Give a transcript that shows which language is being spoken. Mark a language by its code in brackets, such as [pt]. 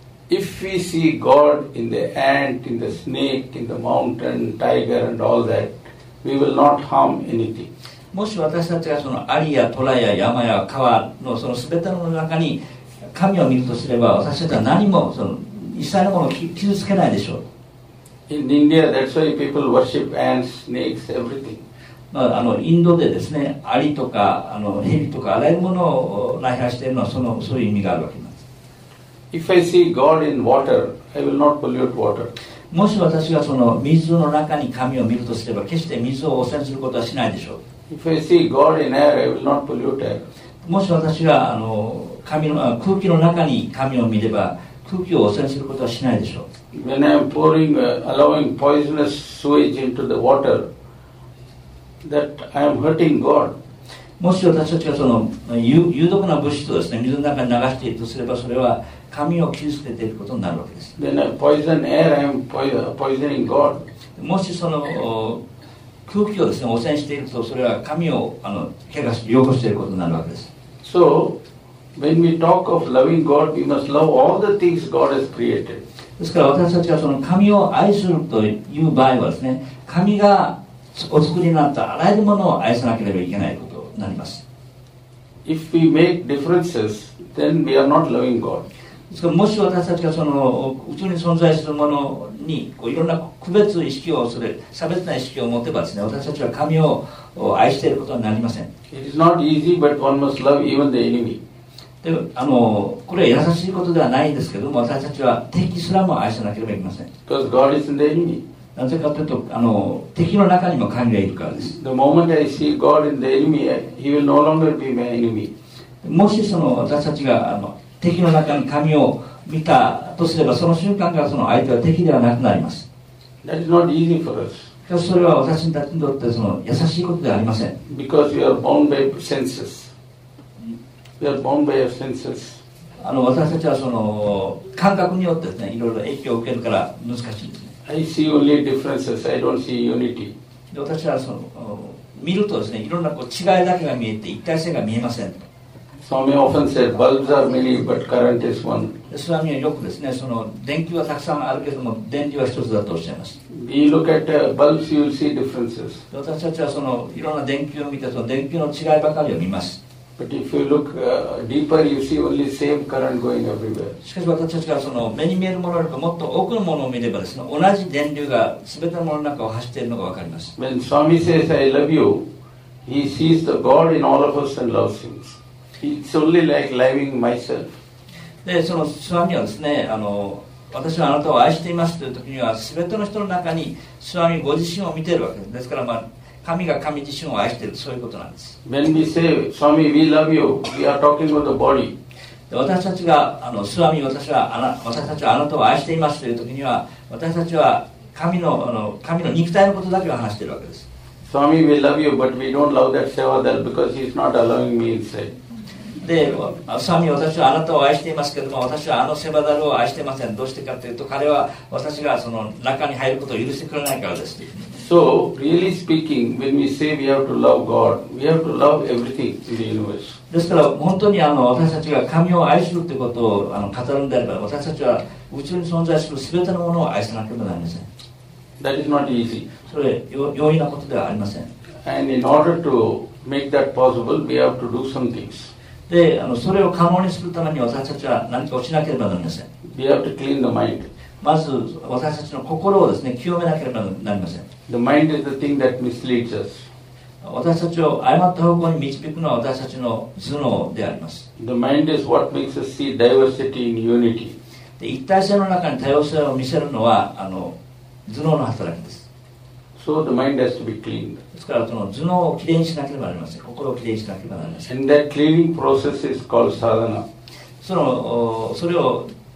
[en] If we see God in the ant, in the snake, in the mountain, tiger and all that, we will not harm anything. [ja] もし私たちがそのアリやトラや山や川のそのすべての中に神を見るとすれば、私たちは何もその一切のものを傷つけないでしょう。 [en] In India, that's why people worship ants, snakes, everything. [ja] まあ、インドでですね、アリとか蛇とかあらゆるものを礼拝しているのはそういう意味があるわけなんです。 [en] If I see God in water, I will not pollute water. [ja] もし私がその水の中に神を見るとすれば、決して水を汚染することはしないでしょう。 [en] If I see God in air, I will not pollute air. [ja] もし私が空気の中に神を見れば、空気を汚染することはしないでしょう。 [en] When I am pouring, allowing poisonous sewage into the water, that I am hurting God. [ja] もし私たちがその有毒な物質をですね、水の中に流しているとすれば、それは神を傷つけていることになるわけです。 [en] Then I poison air, I am poisoning God. [ja] もしその空気をですね、汚染していると、それは神を汚していることになるわけです。 [en] So, when we talk of loving God, we must love all the things God has created. [ja] ですから私たちがその神を愛するという場合はですね、神がお作りになったあらゆるものを愛さなければいけないことになります。 [en] If we make differences, then we are not loving God. [ja] ですからもし私たちがその宇宙に存在するものにこういろんな区別意識を、それ差別な意識を持てばですね、私たちは神を愛していることになりません。 [en] It is not easy, but one must love even the enemy. [ja] でこれは優しいことではないんですけども、私たちは敵すらも愛さなければいけません。 [en] Because God is in the enemy. [ja] なぜかというと敵の中にも神がいるからです。 [en] The moment I see God in the enemy, He will no longer be my enemy. [ja] もしその私たちが敵の中に神を見たとすれば、その瞬間からその相手は敵ではなくなります。 [en] That is not easy for us. [ja] しかしそれは私たちにとってその優しいことではありません。 [en] Because we are bound by senses. We are bound by our senses. [ja] 私たちはその感覚によってですね、いろいろ影響を受けるから難しいですね。 [en] I see only differences. I don't see unity. [ja] で私はその見るとですね、いろんなこう違いだけが見えて、一体性が見えません。 [en] Swami often said, bulbs are many, but current is one. [ja] Swami はよくですね、その電球はたくさんあるけども、電流は一つだとおっしゃいます。 [en] We look at bulbs, you see differences. [ja] 私たちはそのいろんな電球を見て、その電球の違いばかりを見ます。 [en] But if you look deeper, you see only same current going everywhere. [ja] しかし私たちがその目に見えるものよりかもっと多くのものを見ればですね、同じ電流が全てのものの中を走っているのがわかります。 [en] When Swami says, I love you, he sees the God in all of us and loves him. It's only like loving myself. [ja] で、そのスワミはですね、私はあなたを愛していますという時には、すべての人の中にスワミご自身を見ているわけです。ですから、まあ、神が神自身を愛している、そういうことなんです。 [en] When we say, Swami, we love you, we are talking about the body. [ja] で、私たちが、スワミ、私たちはあなたを愛していますという時には、私たちは神の肉体のことだけを話しているわけです。 [en] Swami, we love you, but we don't love that seva there because he's not allowing me inside. [ja] で、スワミ、私はあなたを愛していますけれども、私はセバダルを愛していません。どうしてかというと、彼は私がその中に入ることを許してくれないからです。 [en] So, really speaking, when we say we have to love God, we have to love everything in the universe. [ja] ですから、本当に私たちが神を愛するということを語るんであれば、私たちは宇宙に存在するすべてのものを愛さなければなりません。 [en] That is not easy. [ja] それ、容易なことではありません。 [en] And in order to make that possible, we have to do some things. [ja] で、それを可能にするために私たちは何かをしなければなりません。 [en] We have to clean the mind. [ja] まず私たちの心をですね、清めなければなりません。 [en] The mind is the thing that misleads us. [ja] 私たちを誤った方向に導くのは私たちの頭脳であります。 [en] The mind is what makes us see diversity in unity. [ja] で、一体性の中に多様性を見せるのは頭脳の働きです。 [en] So the mind has to be cleaned. [ja] ですからその頭脳をきれいにしなければなりません。心をきれいにしなければなりません。 [en] And that cleaning process is called sadhana. [ja] それを